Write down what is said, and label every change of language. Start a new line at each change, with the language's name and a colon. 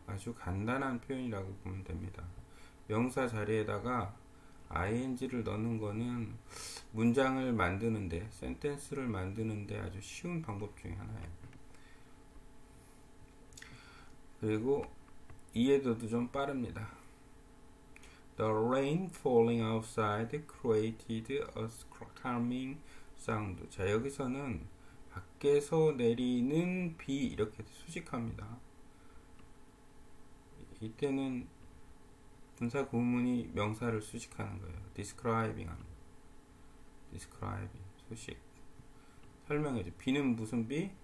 Korean: 아주 간단한 표현이라고 보면 됩니다. 명사 자리에다가 ing를 넣는 거는 문장을 만드는데, 센텐스를 만드는데 아주 쉬운 방법 중에 하나예요. 그리고 이해도도 좀 빠릅니다.
English: The rain falling outside created a calming sound.
Korean: 자, 여기서는 밖에서 내리는 비 이렇게 수식합니다. 이때는 분사 구문이 명사를 수식하는 거예요. Describing 하는 거. Describing 수식. 설명해 줘. 비는 무슨 비?